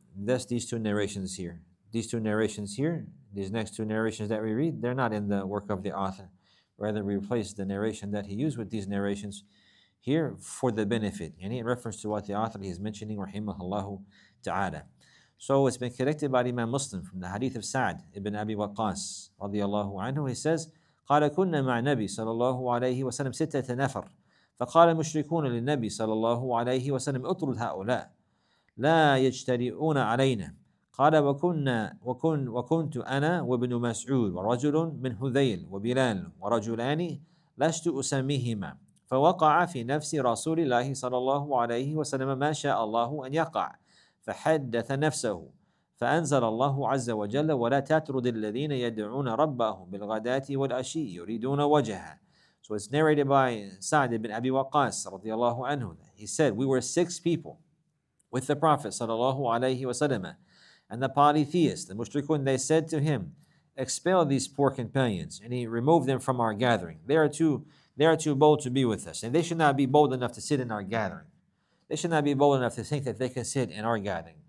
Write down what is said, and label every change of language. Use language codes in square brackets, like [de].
[en] That's these two narrations here. These two narrations here, these next two narrations that we read, they're not in the work of the author. Rather, we replaced the narration that he used with these narrations here for the benefit, and in reference to what the author is mentioning, rahimahullahu ta'ala. So it's been collected by Imam Muslim from the hadith of Sa'd ibn Abi Waqqas, radiyallahu anhu. He says, [ar] قَالَ كُنَّ مَعْ نَبِي صَلَى اللَّهُ عَلَيْهِ وَسَلَمْ سِتَّةَ نَفَرْ فَقَالَ مُشْرِكُونَ لِلنَّبِي صَلَى اللَّهُ عَلَيْهِ وَسَلَمْ اُطْرُدْ هَؤُلَاء لَا يَجْتَرِئُونَ عَلَيْنَا قَالَ وَكُنْتُ أَنَا وَابْنُ مَسْعُودٍ وَرَجُلٌ مِنْ هُذَيْلٍ وَبِلَالٍ وَرَجُلَانِ لَسْتُ أُسَمِّيهِمَا فوقع في نفس رسول الله صلى الله عليه وسلم ما شاء الله أن يقع فحدث نفسه فأنزل الله عز وجل ولا تطرد الذين يدعون ربهم بالغداة والعشي يريدون وجهه. [en] So it's narrated by Sa'd ibn Abi Waqqas [ar] رضي الله عنه. [en] He said, we were six people with the Prophet [ar] صلى الله عليه وسلم, [en] and the polytheists, the mushrikun, they said to him, expel these poor companions, and he removed them from our gathering. They are too bold to be with us. And they should not be bold enough to sit in our gathering. They should not be bold enough to think that they can sit in our gathering.